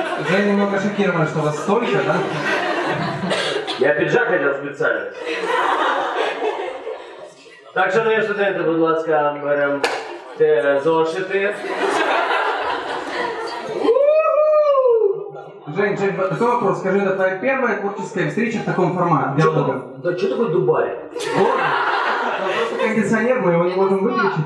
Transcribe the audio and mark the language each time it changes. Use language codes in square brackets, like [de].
[ru] Я немного шокирован, что у вас столько, да? Я пиджак хотел специально. [uk] Так, шановні студенти, будь ласка, берем те зошити. [ru] Жень, такой вопрос, скажи, это твоя первая творческая встреча в таком формате? Да что такое Дубай? Просто кондиционер, мы его не можем выключить.